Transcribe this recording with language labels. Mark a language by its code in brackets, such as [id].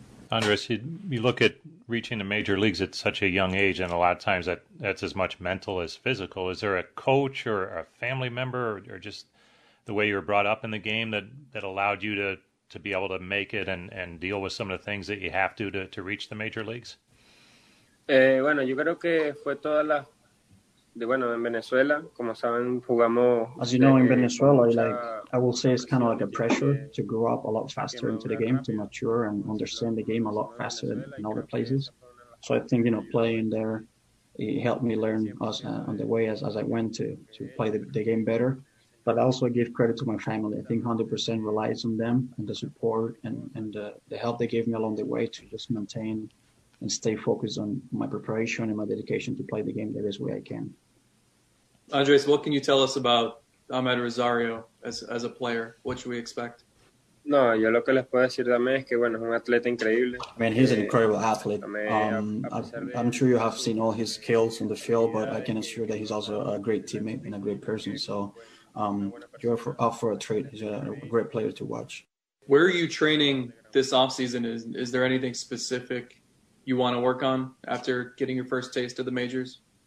[en] Andres, you look at reaching the major leagues at such a young age, and a lot of times that's as much mental as physical. Is there a coach or a family member or just the way you were brought up in the game that allowed you to be able to make it and deal with some of the things that you have to reach the major leagues? [es] Bueno, yo creo que fue toda la de bueno en Venezuela, como saben, jugamos. [en] As you know, in Venezuela, I will say it's kind of like a pressure to grow up a lot faster into the game, to mature and understand the game a lot faster than in other places. So I think, you know, playing there, it helped me learn on the way as I went to play the game better. But I also give credit to my family. I think 100% relies on them and the support and the help they gave me along the way to just maintain and stay focused on my preparation and my dedication to play the game the best way I can. Andres, what can you tell us about Ahmed Rosario as a player? What should we expect? [es] No, yo lo que les puedo decir también es que bueno, es un atleta increíble. [en] Man, he's an incredible athlete. I'm sure you have seen all his skills on the field, but I can assure that he's also a great teammate and a great person. So you're up for a treat. He's a great player to watch. Where are you training this offseason? Is there anything specific you want to work on after getting your first taste of the majors?